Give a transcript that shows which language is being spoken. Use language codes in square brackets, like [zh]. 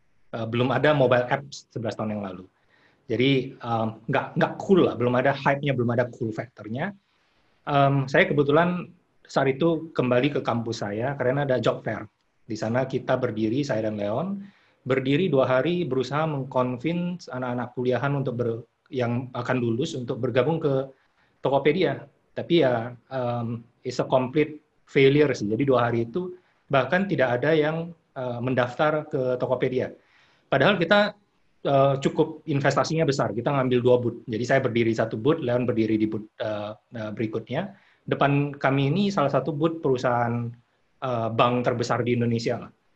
[id] Belum ada mobile apps 11 tahun yang lalu. Jadi nggak cool lah, belum ada hype-nya, belum ada cool factor-nya. Saya kebetulan saat itu kembali ke kampus saya karena ada job fair. Di sana kita berdiri, saya dan Leon, berdiri 2 hari berusaha mengconvince anak-anak kuliahan untuk yang akan lulus untuk bergabung ke Tokopedia. [en] Tapi ya, it's a complete failure sih. [id] Jadi 2 hari itu bahkan tidak ada yang mendaftar ke Tokopedia. Padahal kita cukup investasinya besar, kita ngambil 2 booth. Jadi saya berdiri 1 booth, Leon berdiri di booth berikutnya. Depan kami ini salah satu booth perusahaan bank terbesar di Indonesia.